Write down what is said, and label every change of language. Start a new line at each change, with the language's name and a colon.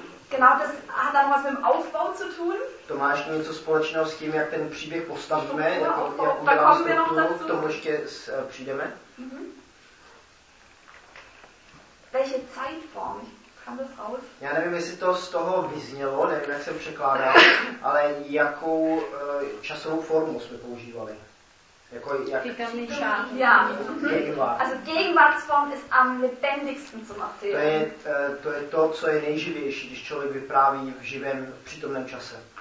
German: Genau, das hat dann was mit dem Aufbau zu tun.
Czech: To má ještě něco společného s tím, jak ten příběh postavíme, jak uděláme strukturu, k tomu ještě přijdeme.
German: Welche Zeitform?
Czech: Kam
German: das raus?
Czech: Já nevím, jestli to z toho vyznělo, nevím, jak jsem překládal, ale jakou časovou formu jsme používali. Jako jak
German: Gegenwart. Also Gegenwartsform ist am lebendigsten zum Erzählen.
Czech: To je to, co je nejživější, když člověk vypráví v živém, přítomném čase.